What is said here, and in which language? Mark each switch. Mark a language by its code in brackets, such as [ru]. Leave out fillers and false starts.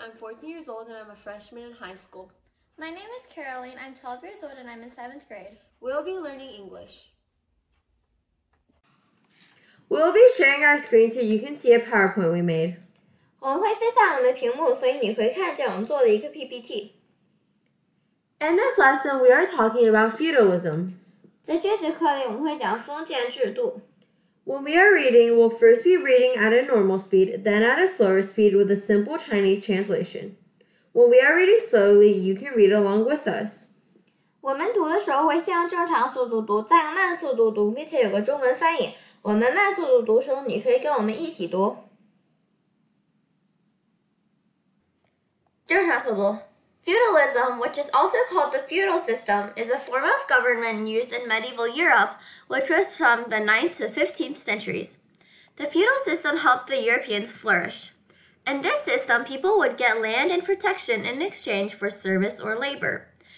[en] I'm 14 years old and I'm a freshman in high school. My name is Caroleen. I'm 12 years old and I'm in 7th grade. We'll be learning English. We'll be sharing our screen so you can see a PowerPoint we made. [zh] 我们会分享我们的屏幕，所以你会看见我们做的一个 PPT。 [en] In this lesson, we are talking about feudalism. [zh] 在这节课里，我们会讲封建制度。 [en] When we are reading, we'll first be reading at a normal speed, then at a slower speed with a simple Chinese translation. When we are reading slowly, you can read along with us. [zh] 我们读的时候会先用正常速度读，再用慢速度读，并且有个中文翻译。我们慢速度读的时候，你可以跟我们一起读。正常速度。 [en] Feudalism, which is also called the feudal system, is a form of government used in medieval Europe, which was from the 9th to 15th centuries. The feudal system helped the Europeans flourish. In this system, people would get land and protection in exchange for service or labor.